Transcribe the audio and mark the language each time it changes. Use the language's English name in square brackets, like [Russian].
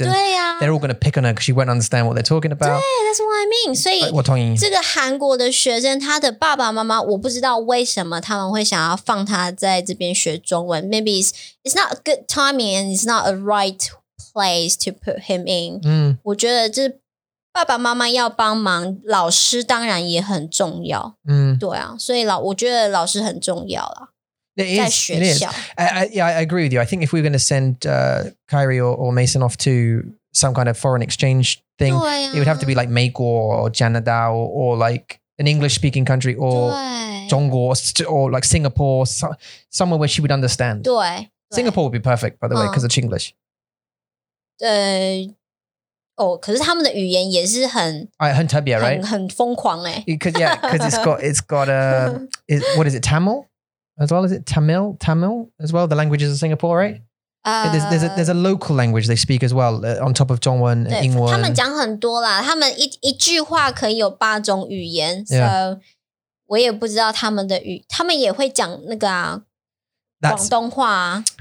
[English] And they're all going to pick on her because she won't understand what they're talking about. That's what I mean. So, [Chinese] 我同意。这个韩国的学生，他的爸爸妈妈，我不知道为什么他们会想要放他在这边学中文。 [English] Maybe it's not a good timing and it's not a right place to put him in. [Chinese] 我觉得这爸爸妈妈要帮忙，老师当然也很重要。对啊，所以我觉得老师很重要啦。 [English] It is, [Chinese] 在学校。 [English] I agree with you. I think if we were going to send Kyrie or Mason off to some kind of foreign exchange thing, it would have to be like 美国 or Canada or like an English speaking country or 中国 or like Singapore, somewhere where she would understand. [Chinese] 对。 [English] Singapore would be perfect, by the way, because it's English. [Chinese] 可是他们的语言也是很特别 ， [English] right？ [Chinese] 很疯狂哎、欸。 [English] Because yeah, because it's got a is, what is it Tamil as well? Is it Tamil as well? The languages of Singapore, right? There's a local language they speak as well on top of 中文 and 英文。 [Chinese] 他们讲很多啦，他们一句话可以有八种语言。 [English] So、yeah. [Chinese] 我也不知道他们的语，他们也会讲那个啊，广东话、啊。